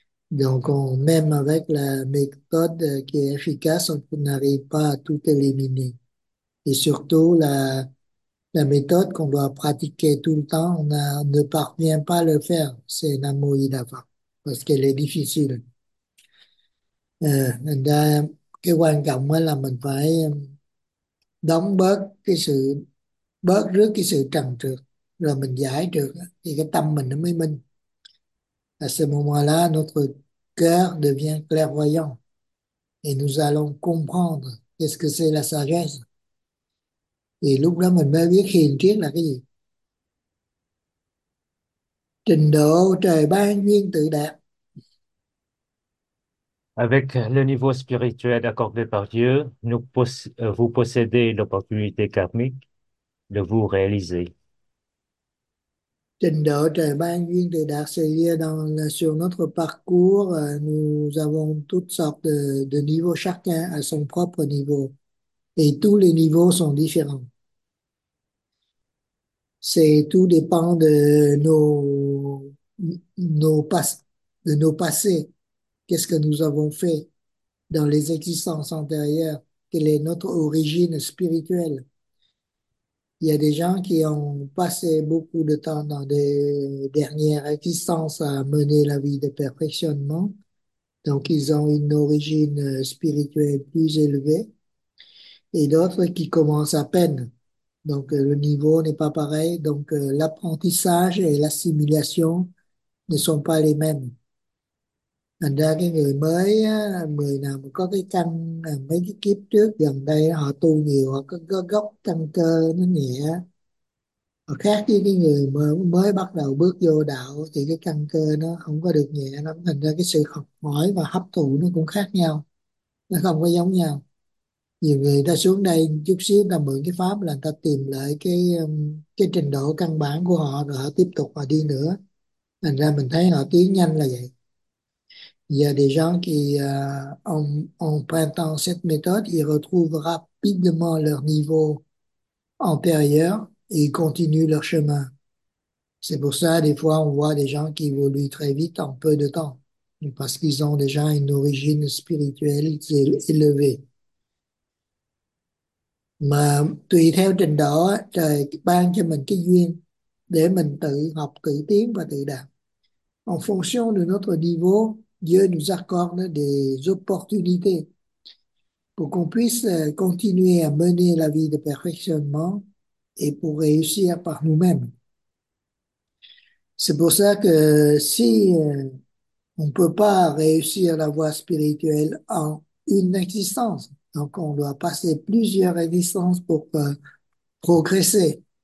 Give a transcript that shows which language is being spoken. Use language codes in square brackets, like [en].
[fr] Donc, même avec la méthode qui est efficace, on n'arrive pas à tout éliminer. Et surtout, la méthode qu'on doit pratiquer tout le temps, on ne parvient pas à le faire. C'est Namo Amida, parce qu'elle est difficile. [vi] Cái quan trọng là mình phải đóng bớt rước cái sự trần trược, rồi mình giải trược, thì cái tâm mình nó mới minh. [fr] À ce moment-là, notre cœur devient clairvoyant. Et nous allons comprendre qu'est-ce que c'est la sagesse. [vi] Thì lúc đó mình mới biết hiền triết là cái gì. Trình độ trời ban duyên tự đạt. [fr] Avec le niveau spirituel accordé par Dieu, vous possédez l'opportunité karmique de vous réaliser. [vi] Trình độ trời ban duyên tự đạt, [fr] c'est-à-dire sur notre parcours, nous avons toutes sortes de niveaux, chacun à son propre niveau. Et tous les niveaux sont différents. C'est tout dépend de nos passés. Qu'est-ce que nous avons fait dans les existences antérieures? Quelle est notre origine spirituelle? Il y a des gens qui ont passé beaucoup de temps dans des dernières existences à mener la vie de perfectionnement. Donc, ils ont une origine spirituelle plus élevée. Et d'autres qui commencent à peine. Donc le niveau n'est pas pareil, donc l'apprentissage et l'assimilation ne sont pas les mêmes. [vi] Thành ra cái người mới, người nào mà có cái căn mấy cái kiếp trước gần đây họ tu nhiều, họ có gốc căn cơ nó nhẹ, họ khác với cái người mới bắt đầu bước vô đạo thì cái căn cơ nó không có được nhẹ lắm, thành ra cái sự học hỏi và hấp thụ nó cũng khác nhau, nó không có giống nhau. Nhiều người ta xuống đây chút xíu ta mượn cái pháp là người ta tìm lại cái trình độ căn bản của họ rồi họ tiếp tục họ đi nữa, thành ra mình thấy họ tiến nhanh là vậy. [fr] Il y a des gens qui, en empruntant cette méthode, ils retrouvent rapidement leur niveau antérieur et ils continuent leur chemin. C'est pour ça, des fois, on voit des gens qui évoluent très vite en peu de temps, parce qu'ils ont déjà une origine spirituelle élevée. [vi] Mà tùy theo trình độ, trời ban cho mình cái duyên để mình tự học, tự tiến và tự đạt. [fr] En fonction de notre niveau, Dieu nous accorde des opportunités pour qu'on puisse continuer à mener la vie de perfectionnement et pour réussir par nous-mêmes. C'est pour ça que si on ne peut pas réussir la voie spirituelle en une existence, donc on doit passer plusieurs existences pour progresser.